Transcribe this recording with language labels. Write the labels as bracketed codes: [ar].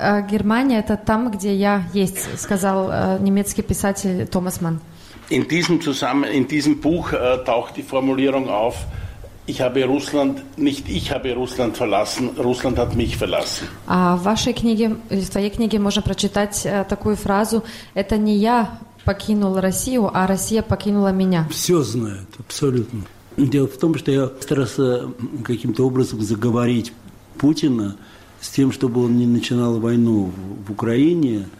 [ru] Германия – это там, где я есть, сказал немецкий писатель Томас Манн. [de] In diesem Zusammenhang, in diesem Buch taucht die Formulierung auf, ich habe Russland, nicht ich habe Russland verlassen, Russland hat mich verlassen. [ru] А в вашей книге, в твоей книге можно прочитать такую фразу: это не я покинул Россию, а Россия покинула меня. Все знают, абсолютно. Дело в том, что я старался каким-то образом заговорить Путина с тем, чтобы он не начинал войну в Украине.